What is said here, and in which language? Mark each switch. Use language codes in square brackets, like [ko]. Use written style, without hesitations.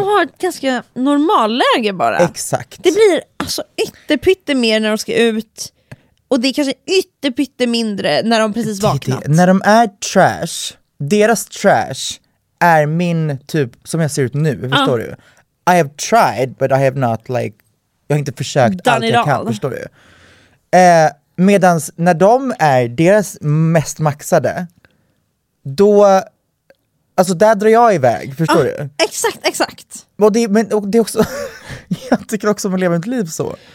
[sv] Som har ett ganska normalläge bara. Exakt. Det blir alltså ytterpytte mer när de ska ut. Och det är kanske ytterpytte mindre när de precis vaknat. När de är trash, deras trash är min typ, som jag ser ut nu, förstår du? [en] I have tried, but I have not like... [sv] Jag har inte försökt done allt jag kan, förstår du? Medans när de är deras mest maxade, då... Alltså där drar jag iväg, förstår du? Exakt, exakt. Och det, men och det är också, jag tycker också att man lever ett liv så.